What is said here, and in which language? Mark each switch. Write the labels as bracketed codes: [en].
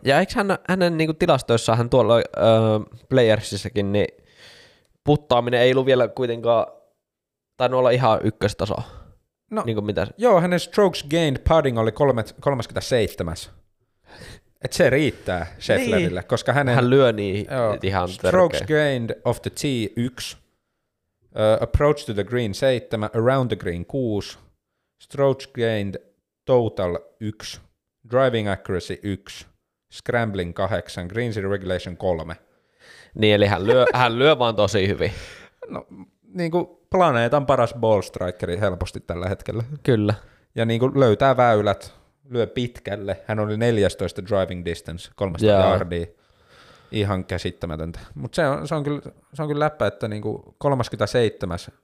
[fi] Ja eikö hänen niinku tilastoissaan hän tuolla Playersissakin, niin puttaaminen ei ollut vielä kuitenkaan tainnut olla ihan ykköstasoa? No, niin kuin mitä? Joo, hänen strokes gained putting oli 37. Että se riittää Schefflerille, niin, koska hänen... Hän lyö niin joo, ihan tärkeä. [en] Strokes gained off the tee 1, approach to the green 7, around the green 6, strokes gained total 1, driving accuracy 1, scrambling 8, greens in regulation 3. [fi] Niin, eli hän lyö vaan tosi hyvin. No, niin kuin planeetan paras ball strikeri helposti tällä hetkellä. Kyllä. Ja niin kuin löytää väylät, lyö pitkälle. Hän oli 14 driving distance, 300 yardia. Ihan käsittämätöntä. Mutta se on kyllä läppä, että niin kuin 37.